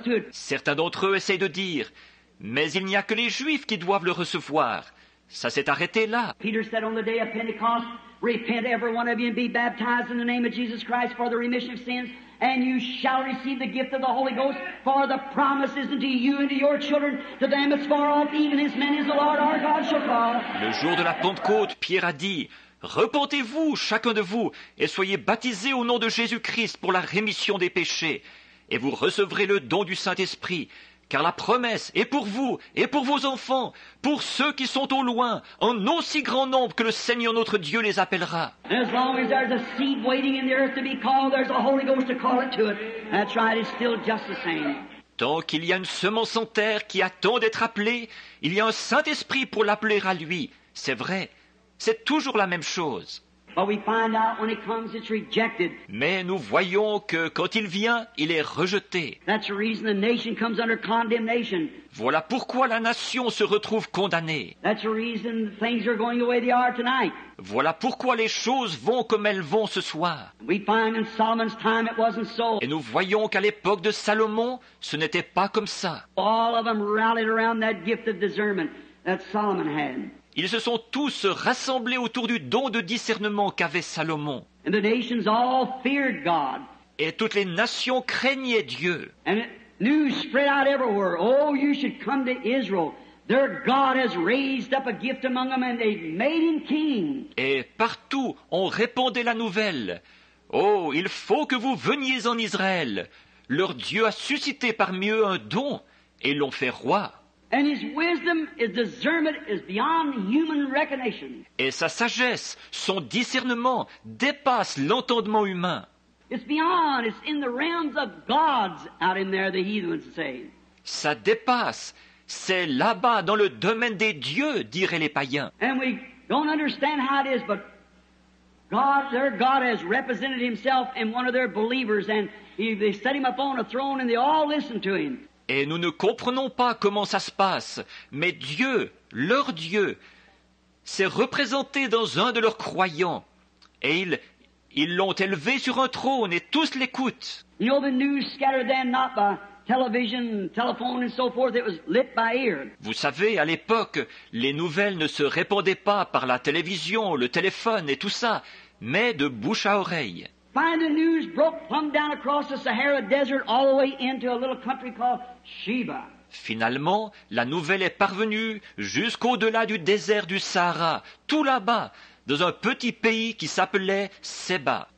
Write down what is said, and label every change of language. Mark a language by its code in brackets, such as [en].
[fr] Certains d'entre eux essayent de dire, mais il n'y a que les Juifs qui doivent le recevoir. Ça s'est arrêté là. [en] Peter said on the day of Pentecost, repent every one of you and be baptized in the name of Jesus Christ for the remission of sins, and you shall receive the gift of the Holy Ghost, for the promise is unto you and to your children, to them as far off, even as many as the Lord our God shall call. [fr] Le jour de la Pentecôte, Pierre a dit, repentez-vous, chacun de vous, et soyez baptisés au nom de Jésus-Christ pour la rémission des péchés, et vous recevrez le don du Saint-Esprit. Car la promesse est pour vous et pour vos enfants, pour ceux qui sont au loin, en aussi grand nombre que le Seigneur notre Dieu les appellera. [en] As long as there's a seed waiting in the earth to be called, there's a Holy Ghost to call it to it. That's right, it's still just the same. [fr] Tant qu'il y a une semence en terre qui attend d'être appelée, il y a un Saint-Esprit pour l'appeler à lui. C'est vrai, c'est toujours la même chose. [en] But we find out when it comes, it's rejected. [fr] Mais nous voyons que quand il vient, il est rejeté. [en] That's the reason the nation comes under condemnation. [fr] Voilà pourquoi la nation se retrouve condamnée. [en] That's the reason things are going the way they are tonight. [fr] Voilà pourquoi les choses vont comme elles vont ce soir. [en] We find in Solomon's time it wasn't so. [fr] Et nous voyons qu'à l'époque de Salomon, ce n'était pas comme ça. [en] All of them rallied around that gift of discernment that Solomon had. [fr] Ils se sont tous rassemblés autour du don de discernement qu'avait Salomon. [en] And the nations all feared God. [fr] Et toutes les nations craignaient Dieu. [en] And news spread out everywhere. Oh, you should come to Israel. Their God has raised up a gift among them and they've made him king. [fr] Et partout, on répandait la nouvelle. Oh, il faut que vous veniez en Israël. Leur Dieu a suscité parmi eux un don et l'ont fait roi. [en] And his wisdom, his discernment is beyond human recognition. [fr] Et sa sagesse, son discernement dépasse l'entendement humain. [en] It's beyond, it's in the realms of gods out in there, the heathens say. [fr] Ça dépasse, c'est là-bas dans le domaine des dieux, diraient les païens. [en] And we don't understand how it is, but God, their God has represented himself in one of their believers, and they set him up on a throne and they all listen to him. [fr] Et nous ne comprenons pas comment ça se passe, mais Dieu, leur Dieu, s'est représenté dans un de leurs croyants. Et ils l'ont élevé sur un trône et tous l'écoutent. [en] You know, the news scattered then not by television, telephone and so forth, it was lit by ear. [fr] Vous savez, à l'époque, les nouvelles ne se répandaient pas par la télévision, le téléphone et tout ça, mais de bouche à oreille. [en] Find the news broke plumb down across the Sahara Desert all the way into a little country called Sheba. [fr] Finalement, la nouvelle est parvenue jusqu'au-delà du désert du Sahara, tout là-bas, dans un petit pays qui s'appelait Seba.